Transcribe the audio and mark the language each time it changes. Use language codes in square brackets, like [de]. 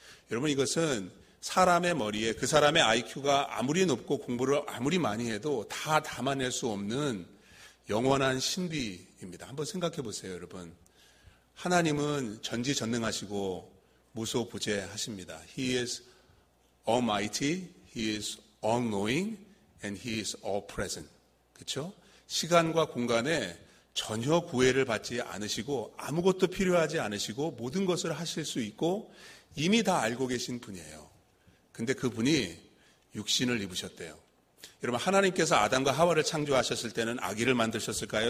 [ko] 여러분, 이것은 사람의 머리에 그 사람의 IQ가 아무리 높고 공부를 아무리 많이 해도 다 담아낼 수 없는 영원한 신비입니다. 한번 생각해 보세요, 여러분. 하나님은 전지전능하시고 무소부재하십니다. [en] He is almighty, he is all-knowing, and he is all-present. [ko] 그렇죠? 시간과 공간에 전혀 구애를 받지 않으시고 아무것도 필요하지 않으시고 모든 것을 하실 수 있고 이미 다 알고 계신 분이에요. 근데 그분이 육신을 입으셨대요. 여러분, 하나님께서 아담과 하와를 창조하셨을 때는 아기를 만드셨을까요?